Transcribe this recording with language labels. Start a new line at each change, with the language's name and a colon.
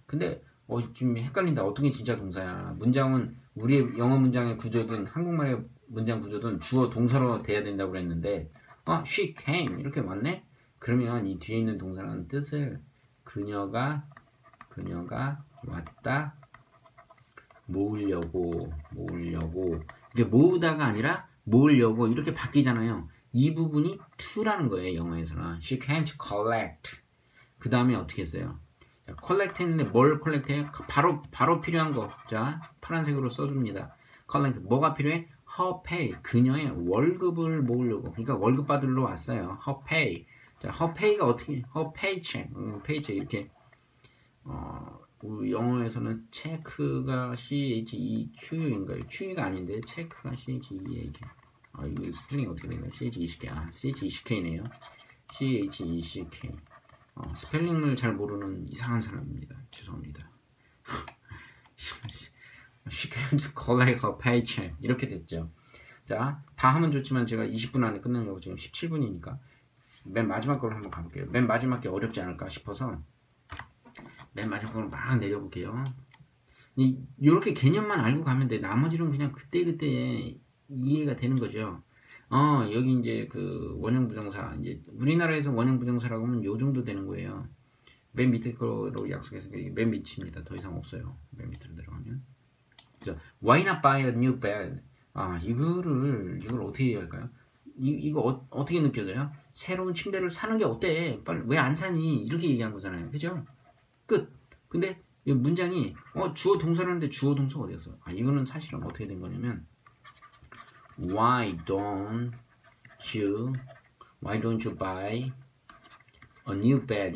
Korean: 근데 지금 헷갈린다. 어떤 게 진짜 동사야? 문장은 우리의 영어 문장의 구조든 한국말의 문장 구조든 주어 동사로 돼야 된다고 그랬는데,
English: she came
Korean: 이렇게 왔네. 그러면 이 뒤에 있는 동사라는 뜻을 그녀가 왔다. 모으려고 이게 모으다가 아니라 모으려고 이렇게 바뀌잖아요. 이 부분이 to라는 거예요. 영어에서는
English: she came to collect.
Korean: 그 다음에 어떻게 했어요? collect 했는데 뭘 collect 해요? 바로 필요한 거. 자, 파란색으로 써줍니다.
English: collect.
Korean: 뭐가 필요해?
English: her pay.
Korean: 그녀의 월급을 모으려고. 그러니까 월급 받으러 왔어요.
English: her pay.
Korean: 자,
English: her pay가
Korean: 어떻게,
English: her paycheck. paycheck.
Korean: 이렇게, 영어에서는 체크가 CHEQ인가요? 추위가 아닌데, 체크가 CHEQ. 이거 스펠링이 어떻게 되나요?
English: CHECK네요. CHECK.
Korean: 스펠링을 잘 모르는 이상한 사람입니다. 죄송합니다.
English: She came to collect her paycheck.
Korean: 이렇게 됐죠. 자, 다 하면 좋지만 제가 20분 안에 끝내려고 지금 17분이니까 맨 마지막 걸로 한번 가볼게요. 맨 마지막 게 어렵지 않을까 싶어서 맨 마지막 걸로 막 내려볼게요. 이렇게 개념만 알고 가면 돼. 나머지는 그냥 그때그때 이해가 되는 거죠. 여기 이제 그 원형 부정사, 이제 우리나라에서 원형 부정사라고 하면 요 정도 되는 거예요. 맨 밑에 거로 약속해서 맨 밑입니다. 더 이상 없어요. 맨 밑으로 내려가면. 자,
English: why not buy a new bed?
Korean: 이걸 어떻게 얘기할까요? 어떻게 느껴져요? 새로운 침대를 사는 게 어때? 빨리 왜안 사니? 이렇게 얘기한 거잖아요. 그죠? 끝. 근데 이 문장이 주어 동사라는데 주어 동사가 어디였어?
English: 이거는 사실은 어떻게 된 거냐면, Why don't you buy a new bed?